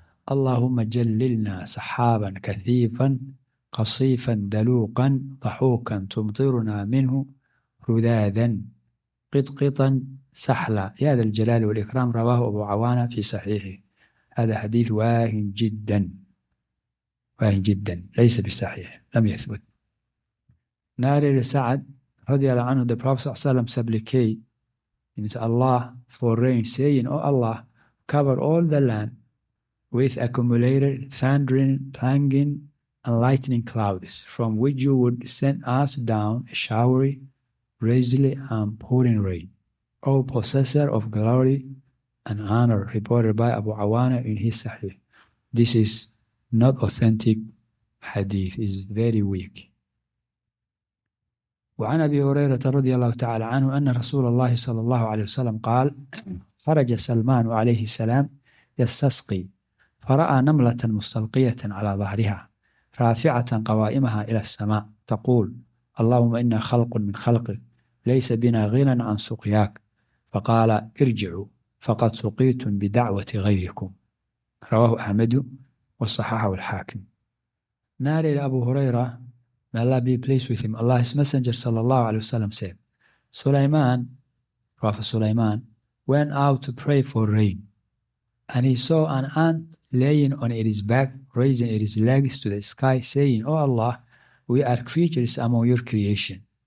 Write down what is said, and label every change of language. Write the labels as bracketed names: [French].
[Arabic] اللهم جللنا سحابا كثيفا قصيفا دلوقا ضحوكا تمطرنا منه رذاذا قطقطا سحلا. يا ذا الجلال والإكرام. رواه أبو عوانة في صحيحه. هذا حديث واهن جدا واهن جدا، ليس بصحيح، لم يثبت. نارل سعد رضي الله عنه، [English] the Prophet صلى الله عليه وسلم supplicate means Allah for rain, saying, oh Allah, cover all the land with accumulated thundering, clanging, and lightning clouds from which you would send us down a showery, drizzly, and pouring rain. O possessor of glory and honor, reported by Abu Awana in his Sahih. This is not authentic hadith, is very weak. [Arabic] وعن أبي هريرة رضي الله تعالى عنه أن رسول الله صلى الله عليه وسلم قال خرج سلمان عليه السلام يستسقي فرأى نملة مستلقية على ظهرها رافعة قوائمها إلى السماء تقول اللهم إنا خلق من خلقك ليس بنا غنى عن سقياك فقال ارجعوا فقد سقيتم بدعوة غيركم رواه أحمد وصححه الحاكم نار أبو هريرة [English] May Allah be pleased with him. Allah's Messenger sallallahu alayhi wa sallam said, Sulaiman, Prophet Sulaiman, went out to pray for rain. And he saw an ant laying on its back, raising its legs to the sky, saying, oh Allah, we are creatures among your creation.